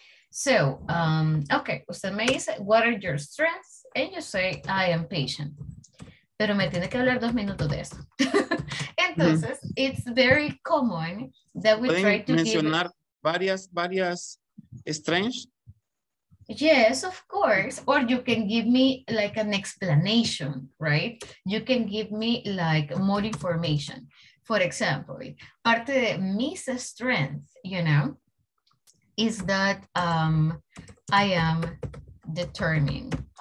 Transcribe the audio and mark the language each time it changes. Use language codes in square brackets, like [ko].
[en] So, okay, [es] usted me dice, [en] what are your strengths? And you say, I am patient. [es] Pero me tiene que hablar 2 minutos de eso. [en] Entonces, it's very common that we try to give... [es] mencionar varias strengths? [en] Yes, of course. Or you can give me like an explanation, right? You can give me like more information. For example, [es] parte de mis [en] strengths, you know, is that I am determined.